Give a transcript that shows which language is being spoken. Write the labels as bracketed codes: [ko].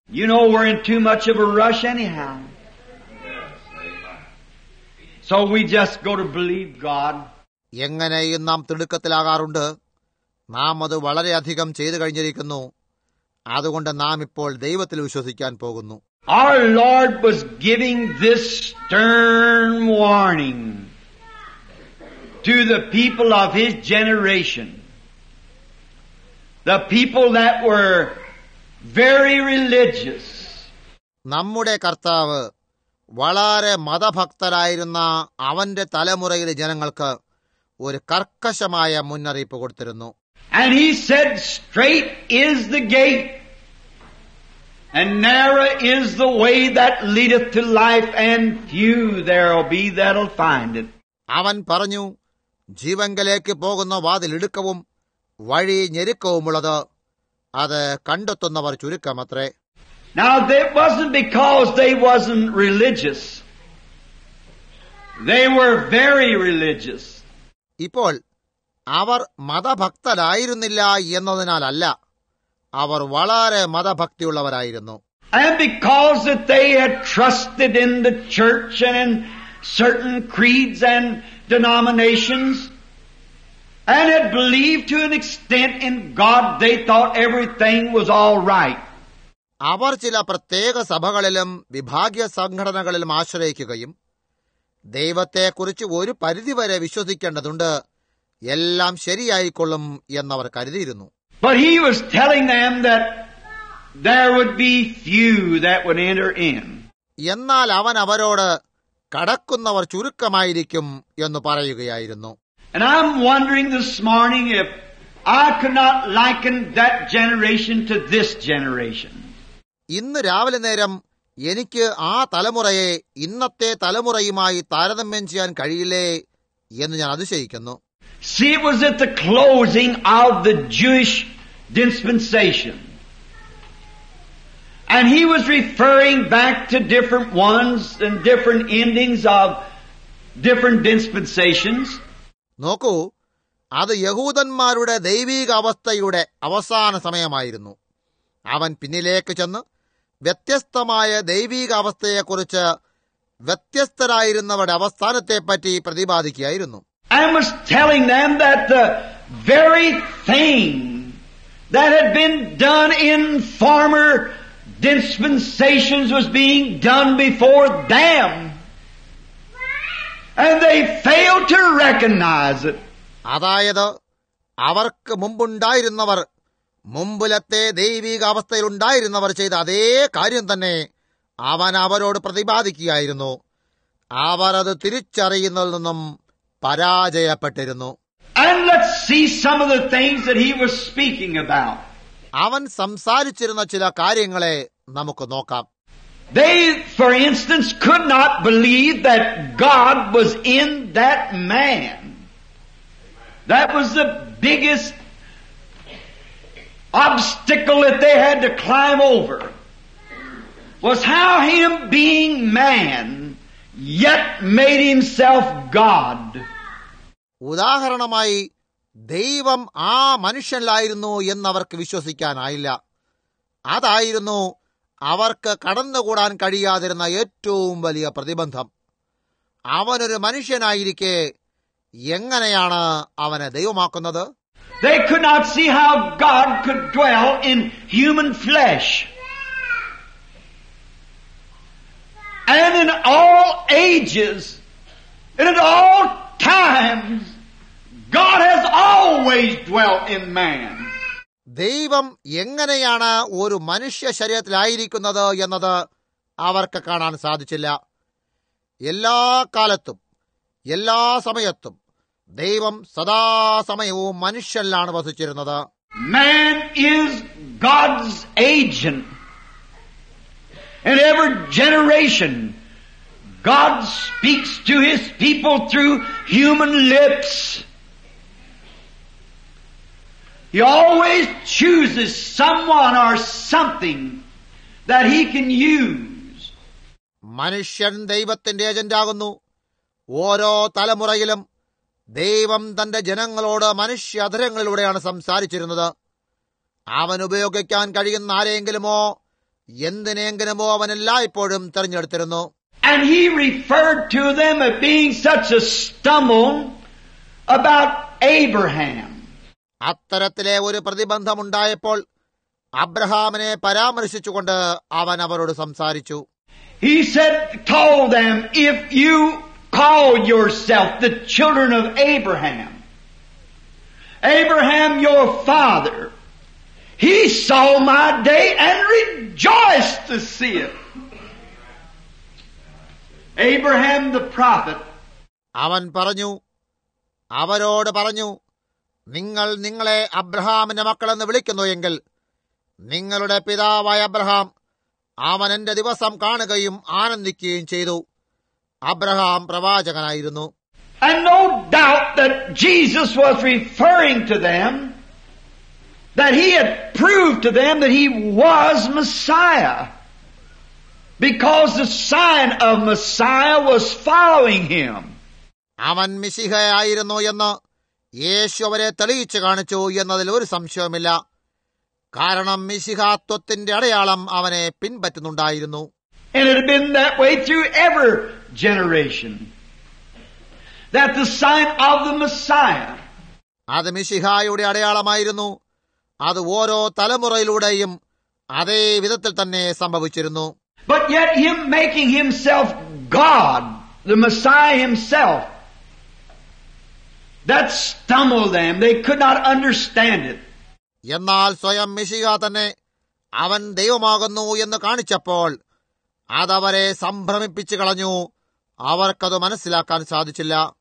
[en] You know we're in too much of a rush anyhow. So we just go to believe God. [ml] എങ്ങനെയും നാം തിടുക്കത്തിലാകാറുണ്ട്. നാം അത് വളരെയധികം ചെയ്തു കഴിഞ്ഞിരിക്കുന്നു. അതുകൊണ്ട് നാം ഇപ്പോൾ ദൈവത്തിൽ വിശ്വസിക്കാൻ പോകുന്നു. [en] Our Lord was giving this stern warning to the people of his generation. The people that were very religious. [ml] നമ്മുടെ കർത്താവ് വളരെ മതഭക്തരായിരുന്ന അവന്റെ തലമുറയിലെ ജനങ്ങൾക്ക് ഒരു കർക്കശമായ മുന്നറിയിപ്പ് കൊടുത്തിരുന്നു. [en] And he said, "Straight is the gate, and narrow is the way that leadeth to life, and few there'll be that'll find it." [ml] അവൻ പറഞ്ഞു, ജീവങ്കലേക്ക് പോകുന്ന വാതിൽ ഇടുക്കവും വഴി ഞെരുക്കവുമുള്ളത്, അത് കണ്ടെത്തുന്നവർ ചുരുക്കമത്രേ. [en] Now that wasn't because they wasn't religious. They were very religious. [ml] ഇപ്പോൾ അവർ മതഭക്തരായിരുന്നില്ല എന്നതിനാലല്ല, അവർ വളരെ മതഭക്തിയുള്ളവരായിരുന്നു. [en] And because that they had trusted in the church and in certain creeds and denominations and had believed to an extent in God, they thought everything was all right. [ml] അവർ ചില പ്രത്യേക സഭകളിലും വിഭാഗീയ സംഘടനകളിലും ആശ്രയിക്കുകയും ദൈവത്തെക്കുറിച്ച് ഒരു പരിധിവരെ വിശ്വസിക്കേണ്ടതുണ്ട്, എല്ലാം ശരിയായിക്കൊള്ളും എന്നവർ കരുതിയിരുന്നു. [en] But he was telling them that there would be few that would enter in. [ml] എന്നാൽ അവൻ അവരോട് കടക്കുന്നവർ ചുരുക്കമായിരിക്കും എന്ന് പറയുകയായിരുന്നു. [en] And I'm wondering this morning if I could not liken that generation to this generation. [ml] ഇന്ന് രാവിലെ നേരം എനിക്ക് ആ തലമുറയെ ഇന്നത്തെ തലമുറയുമായി താരതമ്യം ചെയ്യാൻ കഴിയില്ലേ എന്ന് ഞാൻ അതിശയിക്കുന്നു. [en] See, it was at the closing of the Jewish dispensation. And he was referring back to different ones and different endings of different dispensations. [ml] നോക്കൂ, അത് യഹൂദന്മാരുടെ ദൈവിക അവസ്ഥയുടെ അവസാന സമയമായിരുന്നു. അവൻ പിന്നിലേക്ക് ചെന്ന് വ്യത്യസ്തമായ ദൈവിക അവസ്ഥയെക്കുറിച്ച് വ്യത്യസ്തരായിരുന്നവരുടെ അവസ്ഥാനത്തെപ്പറ്റി പ്രതിപാദിക്കുകയായിരുന്നു. [en] I was telling them that the very thing that had been done in former dispensations was being done before them. And they failed to recognize it. [ml] അതായത് അവർക്ക് മുമ്പുണ്ടായിരുന്നവർ മുമ്പിലത്തെ ദൈവിക അവസ്ഥയിലുണ്ടായിരുന്നവർ ചെയ്ത അതേ കാര്യം തന്നെ അവൻ അവരോട് പ്രതിപാദിക്കുകയായിരുന്നു. അവരത് തിരിച്ചറിയുന്നതിൽ നിന്നും പരാജയപ്പെട്ടിരുന്നു. [en] And let's see some of the things that he was speaking about. [ml] അവൻ സംസാരിച്ചിരുന്ന ചില കാര്യങ്ങളെ നമുക്ക് നോക്കാം. [en] They, for instance, could not believe that God was in that man. That was the biggest obstacle that they had to climb over, was how him being man yet made himself God. [ml] ഉദാഹരണമായി, ദൈവം ആ മനുഷ്യനിലായിരുന്നു എന്നവർക്ക് വിശ്വസിക്കാനായില്ല. അതായിരുന്നു അവർക്ക് കടന്നുകൂടാൻ കഴിയാതിരുന്ന ഏറ്റവും വലിയ പ്രതിബന്ധം. അവനൊരു മനുഷ്യനായിരിക്കെ എങ്ങനെയാണ് അവനെ ദൈവമാക്കുന്നത്? [en] They could not see how God could dwell in human flesh. And in all ages, and in all times, God has always dwelt in man. [ml] ദൈവം എങ്ങനെയാണ് ഒരു മനുഷ്യ ശരീരത്തിലായിരിക്കുന്നത് എന്നത് അവർക്ക് കാണാൻ സാധിച്ചില്ല. എല്ലാ കാലത്തും എല്ലാ സമയത്തും ദൈവം സദാസമയവും മനുഷ്യനിലാണ് വസിച്ചിരുന്നത്. [en] Man is God's agent. And every generation, God speaks to his people through human lips. He always chooses someone or something that he can use. [ml] മനുഷ്യൻ ദൈവത്തിന്റെ ഏജന്റ് ആകുന്നു. ഓരോ തലമുറയിലും ദൈവം തന്റെ ജനങ്ങളോട് മനുഷ്യാധരങ്ങളിലൂടെയാണ് സംസാരിച്ചിരുന്നത്. അവൻ ഉപയോഗിക്കാൻ കഴിയുന്ന ആരെയെങ്കിലുമോ എന്തിനെങ്കിലുമോ അവനെല്ലായ്പ്പോഴും തിരഞ്ഞെടുത്തിരുന്നു. [en] And he referred to them as being such a stumble about Abraham. [ml] അത്തരത്തിലെ ഒരു പ്രതിബന്ധം ഉണ്ടായപ്പോൾ അബ്രഹാമിനെ പരാമർശിച്ചുകൊണ്ട് അവൻ അവരോട് സംസാരിച്ചു. [en] He said, told them, if you call yourself the children of Abraham, Abraham your father, he saw my day and rejoiced to see it. Abraham the prophet. [ml] അവൻ പറഞ്ഞു, അവരോട് പറഞ്ഞു, നിങ്ങൾ നിങ്ങളെ അബ്രഹാമിന്റെ മക്കളെന്ന് വിളിക്കുന്നു എങ്കിൽ നിങ്ങളുടെ പിതാവായ അബ്രഹാം അവൻ എന്റെ ദിവസം കാണുകയും ആനന്ദിക്കുകയും ചെയ്തു. Abraham പ്രവാചകനായിരുന്നു. [en] And no doubt that Jesus was referring to them, that he had proved to them that he was Messiah, because the sign of Messiah was following him. [ml] അവൻ മിശിഹായിരുന്നു എന്ന് യേശു അവരെ തെളിയിച്ചു കാണിച്ചു എന്നതിൽ ഒരു സംശയവുമില്ല. കാരണം മിശിഹാത്വത്തിന്റെ അടയാളം അവനെ പിൻപറ്റുന്നുണ്ടായിരുന്നു. [en] And it had been that way through every generation, that the sign of the Messiah. [ml] അത് മിശിഹായുടെ അടയാളമായിരുന്നു. അത് ഓരോ തലമുറയിലൂടെയും അതേ വിധത്തിൽ തന്നെ സംഭവിച്ചിരുന്നു. [en] But yet him making himself God, the Messiah himself, that stumbled them. They could not understand it. [ml] എന്നാൽ സ്വയം മിശിഹ തന്നെ അവൻ ദൈവമാകുന്നു എന്ന് കാണിച്ചപ്പോൾ അതവരെ സംഭ്രമിപ്പിച്ചു കളഞ്ഞു. അവർക്കത് മനസ്സിലാക്കാൻ സാധിച്ചില്ല.